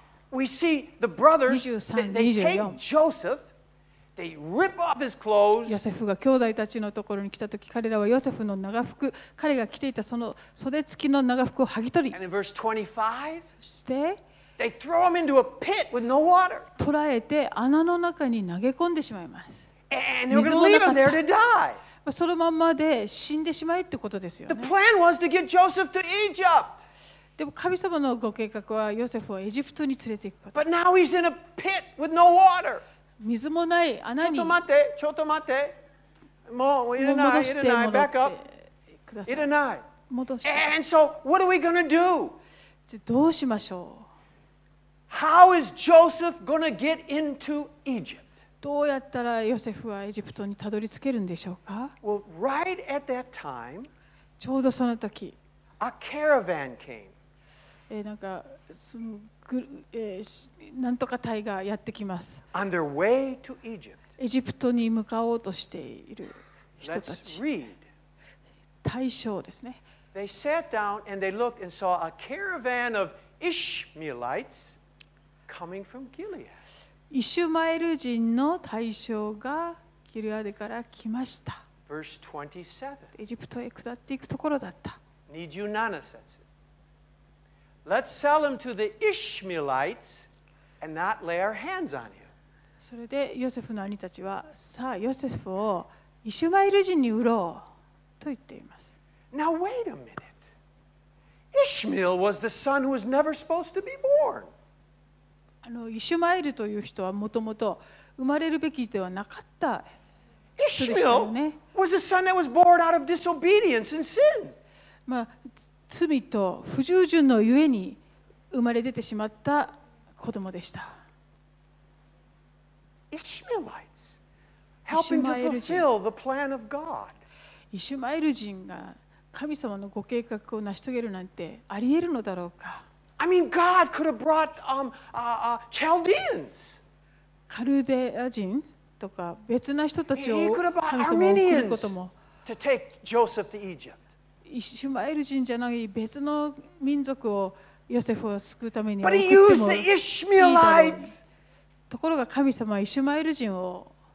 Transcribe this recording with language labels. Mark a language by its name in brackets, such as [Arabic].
[English] We see the brothers, they take Joseph, they rip off his clothes. [Japanese] ヨセフが兄弟たちのところに来たとき、彼らはヨセフの長服、彼が着ていたその袖付きの長服を剥ぎ取り。 [English] And in verse 25, [Japanese] そして、 [English] they throw him into a pit with no water. [Japanese] 捕らえて穴の中に投げ込んでしまいます。 [English] And they're going to leave him there to die. [Japanese] そのままで死んでしまいってことですよね。 [English] The plan was to get Joseph to Egypt. [Japanese] でも神様のご計画はヨセフをエジプトに連れていくこと。 [English] But now he's in a pit with no water. [Japanese] 水もない穴に。ちょっと待って。もう入れない。戻してもらってください。入れない。戻して。 [English] And so what are we gonna do? [Japanese] じゃどうしましょう。 [English] How is Joseph gonna get into Egypt? [Japanese] どうやったらヨセフはエジプトにたどり着けるんでしょうか。 [English] Well, right at that time. [Japanese] ちょうどその時。 [English] A caravan came. [Japanese] なんかそのぐ、なんとか隊がやってきます。 [English] On their way to Egypt. [Japanese] エジプトに向かおうとしている人たち。 [English] Let's read. [Japanese] 大将ですね。 [English] They sat down and they looked and saw a caravan of Ishmaelites coming from Gilead. [Japanese] イシュマエル人の大将がギルアデから来ました。 [English] Verse 27. [Japanese] エジプトへ下っていくところだった。 [English] 27 says, Let's sell him to the Ishmaelites and not lay our hands on him. [Japanese] それでヨセフの兄たちはさあヨセフをイシュマエル人に売ろうと言っています。 [English] Now wait a minute. Ishmael was the son who was never supposed to be born. [Japanese] イシュマエルという人はもともと生まれるべきではなかった人でしたよね。 [English] Ishmael was the son that was born out of disobedience and sin. [Japanese] まあ、罪と不従順のゆえに生まれ出てしまった子供でした。 [English] イシュマエル人、helping to fulfill the plan of God。 [Japanese] イシュマエル人が神様のご計画を成し遂げるなんてありえるのだろうか。 [English] I mean, God could have brought Chaldeans。 [Japanese] カルデア人とか別な人たちを神様に送ることも。 [English] To take Joseph to Egypt. [Japanese] イシュマエル人じゃない別の民族をヨセフを救うために送ってもいいだろう。ところが神様はイシュマエル人を